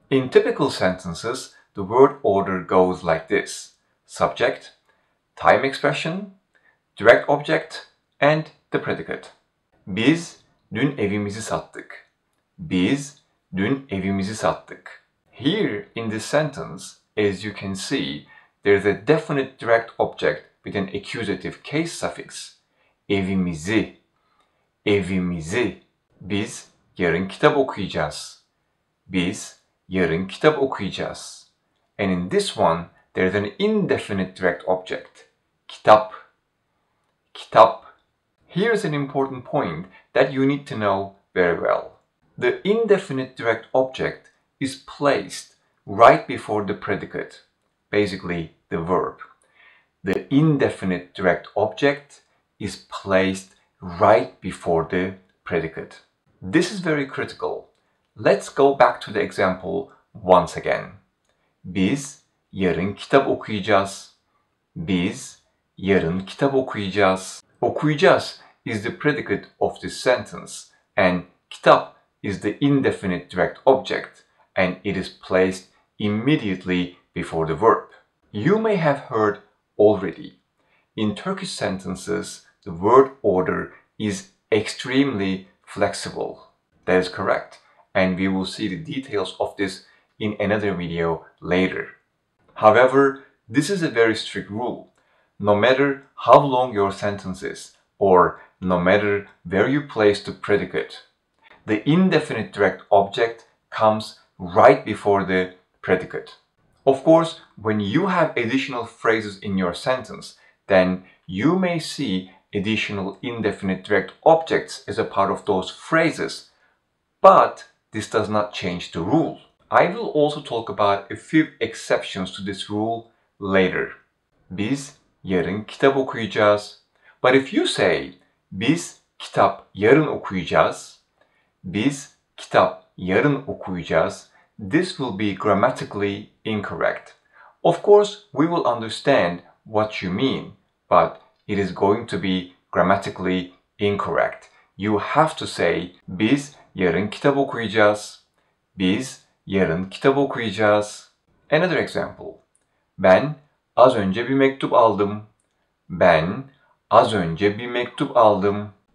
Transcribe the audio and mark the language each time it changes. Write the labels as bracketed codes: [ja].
[en] In typical sentences, the word order goes like this: subject, time expression, direct object, and the predicate. [tr] Biz dün evimizi sattık. Biz dün evimizi sattık. [en] Here in this sentence, as you can see, there is a definite direct object with an accusative case suffix. [tr] Evimizi. Evimizi. Biz yarın kitap okuyacağız. Biz yarın kitap okuyacağız. [en] And in this one, there is an indefinite direct object. [tr] Kitap. Kitap. [en] Here is an important point that you need to know very well. The indefinite direct object is placed right before the predicate, basically the verb. The indefinite direct object is placed right before the predicate. This is very critical. Let's go back to the example once again. [tr] Biz yarın kitap okuyacağız. Biz yarın kitap okuyacağız. [en] Okuyacağız is the predicate of this sentence, and kitap is the indefinite direct object, and it is placed immediately before the verb. You may have heard already, in Turkish sentences, the word order is extremely flexible. That is correct, and we will see the details of this in another video later. However, this is a very strict rule. No matter how long your sentence is, or no matter where you place the predicate, the indefinite direct object comes right before the predicate. Of course, when you have additional phrases in your sentence, then you may see additional indefinite direct objects as a part of those phrases, but this does not change the rule. I will also talk about a few exceptions to this rule later. [tr] Biz yarın kitap okuyacağız. [en] But if you say, [tr] biz kitap yarın okuyacağız, biz kitap yarın okuyacağız, [en] this will be grammatically incorrect. Of course, we will understand what you mean, but it is going to be grammatically incorrect. You have to say, [tr] biz yarın kitap okuyacağız, biz yarın kitap okuyacağız. [en] Another example. [tr] Ben az önce bir mektup aldım. Ben az önce bir mektup aldım.